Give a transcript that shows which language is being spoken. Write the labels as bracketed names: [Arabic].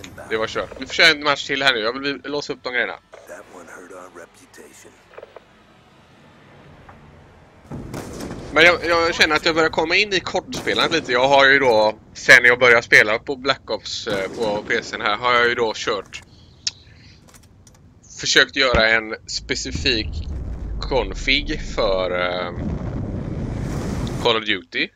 [Swedish] Det var kört. Vi försöker en match till här nu. Jag vill låsa upp de grejerna. [English] That one hurt our reputation. [Swedish] Men jag känner att jag börjar komma in i kortspelandet lite. Jag har ju då, sen jag började spela på Black Ops på PC:n här, har jag ju då kört... Försökt göra en specifik config för Call of Duty.